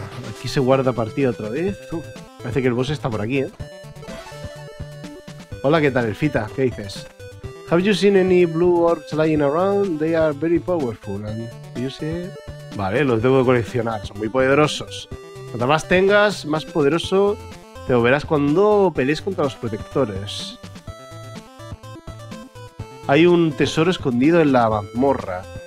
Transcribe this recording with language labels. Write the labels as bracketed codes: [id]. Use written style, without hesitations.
[es] Aquí se guarda partida otra vez. Parece que el boss está por aquí, ¿eh? Hola, ¿qué tal, Elfita? ¿Qué dices? [en] Have you seen any blue orbs lying around? They are very powerful. And you see... [es] Vale, los debo coleccionar. Son muy poderosos. Cuanto más tengas, más poderoso te volverás cuando pelees contra los protectores. Hay un tesoro escondido en la mazmorra.